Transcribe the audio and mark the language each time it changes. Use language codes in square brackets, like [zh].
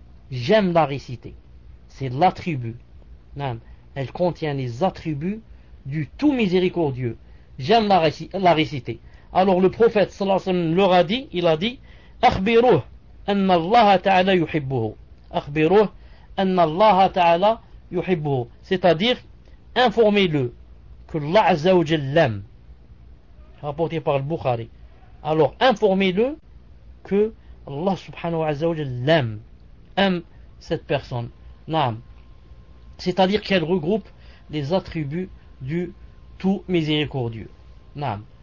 [fr] J'aime la réciter. C'est l'attribut. Non. Elle contient les attributs du tout miséricordieux. J'aime la réciter. Alors le prophète sallallahu alayhi wa sallam leur a dit, il a dit, [ar] أخبروه أن الله تعالى يحبه. أخبروه أن الله تعالى يحبه. [fr] C'est-à-dire, informez-le que Allah Azza wa Jalla l'aime. Rapporté par le Bukhari. Alors, informez-le que Allah subhanahu wa ta'ala l'aime. Aime cette personne. Naam. C'est-à-dire qu'elle regroupe les attributs du tout miséricordieux. Naam.